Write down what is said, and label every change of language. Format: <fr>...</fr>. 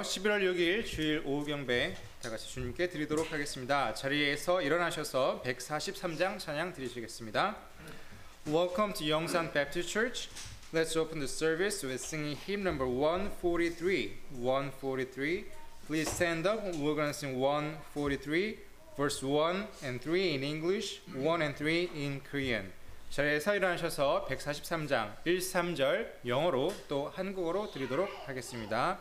<ko>11월 6일 주일 오후 경배 다 같이 주님께 드리도록 하겠습니다. 자리에서 일어나셔서 143장 찬양 드리시겠습니다.</ko> <en>Welcome to Yongsan Baptist Church. Let's open the service with singing hymn number 143. Please stand up. We're going to sing 143, verse 1 and 3 in English, 1 and 3 in Korean.</en> <ko>자리에서 일어나셔서 143장 1, 3절 영어로 또 한국어로 드리도록 하겠습니다.</ko>